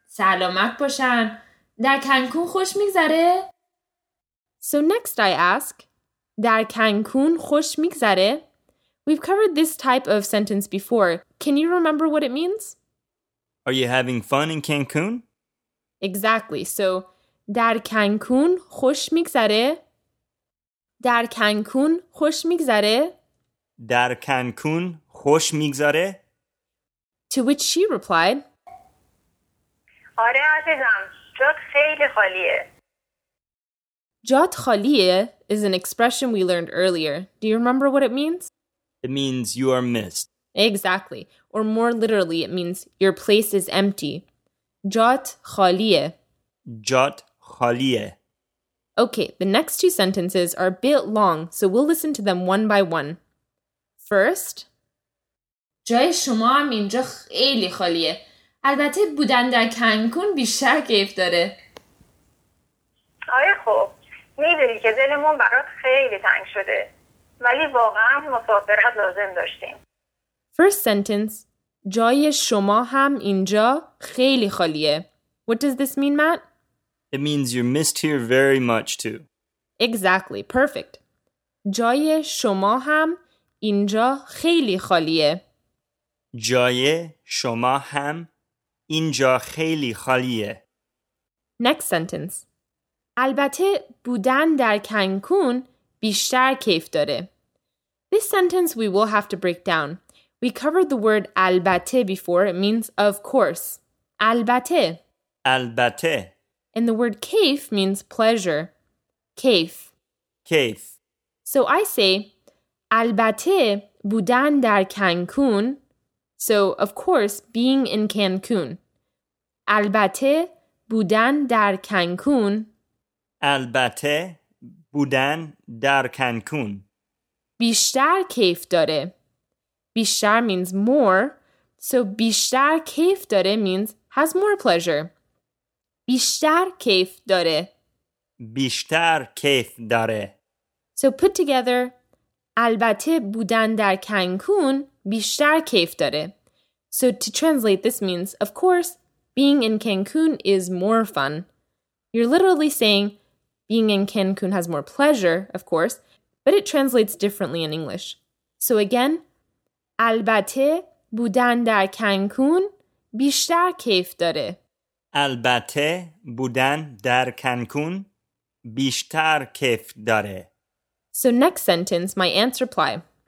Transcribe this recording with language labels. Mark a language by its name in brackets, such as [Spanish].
[Persian] Salomat boshan. Dar Cancun khosh migzare? [English] So next I ask, [Persian] در کنکون خوش میگذره? [English] We've covered this type of sentence before. Can you remember what it means? Are you having fun in Cancun? Exactly. [Persian] So, در کنکون خوش میگذره? در کنکون خوش میگذره? در کنکون خوش میگذره? [English] To which she replied, [Persian] آره عزیزم, جات خیلی خالیه. جات خالیه [English] is an expression we learned earlier. Do you remember what it means? It means you are missed. Exactly. Or more literally, it means your place is empty. [Persian] جات خالیه. جات خالیه. [English] Okay, the next two sentences are a bit long, so we'll listen to them one by one. First, [Persian] جای شما هم اینجا خیلی خالیه. البته بودن در کنکون بیشتر کیف داره. آره خوب. میدونی که دلمون برات خیلی تنگ شده. ولی واقعا مسافرت لازم داشتیم. [English] First sentence. [Persian] جای شما هم اینجا خیلی خالیه. [English] What does this mean, Matt? It means you're missed here very much too. Exactly. Perfect. [Persian] جای شما هم اینجا خیلی خالیه. جای شما هم اینجا خیلی خالیه. [English] Next sentence. [Persian] البته بودن در کنکون بیشتر کیف داره. [English] This sentence we will have to break down. We covered the word البته before. It means of course. [Persian] البته. البته. [English] And the word کیف means pleasure. [Persian] کیف. کیف. [English] So I say, [Persian] البته بودن در کنکون. [English] So, of course, being in Cancun. [Persian] البته بودن در کنکون. البته بودن در کنکون. بیشتر کیف داره. [English] بیشتر means more. So, [Persian] بیشتر کیف داره [English] means has more pleasure. [Persian] بیشتر کیف داره. بیشتر کیف داره. [English] So, put together, [Persian] البته بودن در کنکون بیشتر کیف داره. [English] So to translate, this means, of course, being in Cancun is more fun. You're literally saying, being in Cancun has more pleasure, of course, but it translates differently in English. So again, [Persian] البته بودن در کنکون بیشتر کیف داره. البته بودن در کنکون بیشتر کیف داره. [English] So next sentence, my aunt's reply.